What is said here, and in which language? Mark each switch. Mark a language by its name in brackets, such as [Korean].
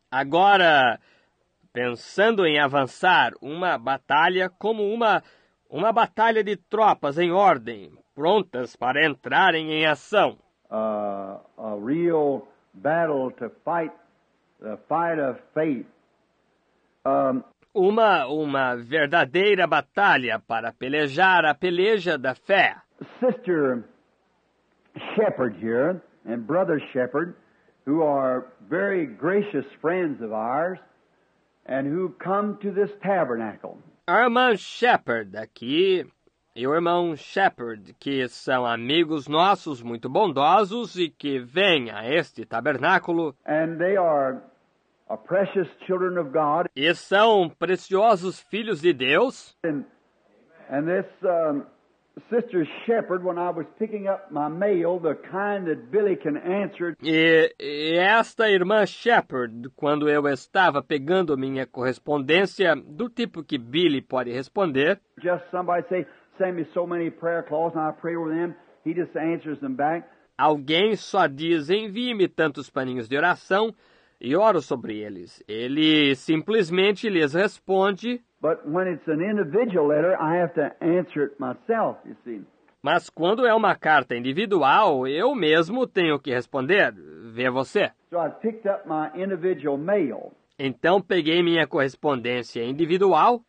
[Portuguese] Agora, pensando em avançar, uma batalha como uma batalha de tropas em ordem, prontas para entrarem em ação. [English] A real battle to fight the fight of faith. [Portuguese] Uma verdadeira batalha para pelejar a peleja da fé. [English] Sister Shepherd here and Brother Shepherd, who are very gracious friends of ours, and who come to this tabernacle. [Portuguese] Irmão Shepherd aqui, e o irmão Shepherd, que são amigos nossos muito bondosos e que vêm a este tabernáculo. [English] And they are a precious children of God. [Portuguese] E são preciosos filhos de Deus. [English] And this Sister Shepherd, when I was picking up my mail, the kind that Billy can answer. [Portuguese] E esta irmã Shepherd, quando eu estava pegando minha correspondência, do tipo que Billy pode responder. [English] Just somebody say, send me so many prayer calls and I pray with them. He just answers them back. [Portuguese] Alguém só diz, envie-me tantos paninhos de oração e oro sobre eles. Ele simplesmente lhes responde. [English] But when it's an individual letter, I have to answer it myself, you see. [Portuguese] Mas quando é uma carta individual, eu mesmo tenho que responder. Vê você. [English] So I picked up my individual mail. [Portuguese] Então peguei minha correspondência individual.